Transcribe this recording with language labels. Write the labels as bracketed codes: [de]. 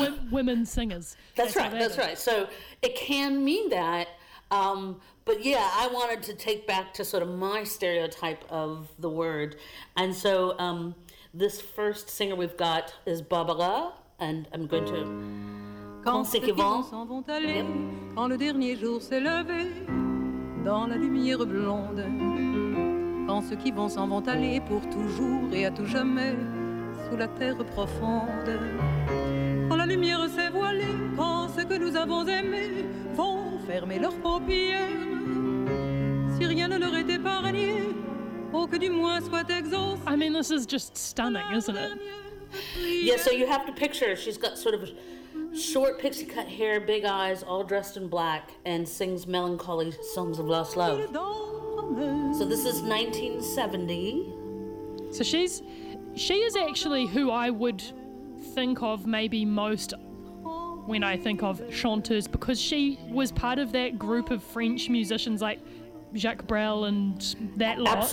[en] Women singers. That's right. So it can mean that. But yeah, I wanted to take back to sort of my stereotype of the word. And so this first singer we've got is Barbara, and I'm going to. [fr] Quand ceux qui vont s'en vont aller, quand le dernier jour s'est levé dans la lumière blonde, quand ceux qui vont s'en vont aller pour toujours et à tout jamais sous la terre profonde, quand la lumière s'est voilée, quand ceux que nous avons aimés vont fermer leurs paupières, si rien ne leur est épargné, oh que du moins soit exaucé. [en] I mean, this is just stunning, isn't it? Yeah, so you have to picture, she's got sort of short pixie cut hair, big eyes, all dressed in black, and sings melancholy songs of lost love. So this is 1970. So she is actually who I would think of maybe most when I think of chanteuse, because she was part of that group of French musicians like Jacques Brel and that lot.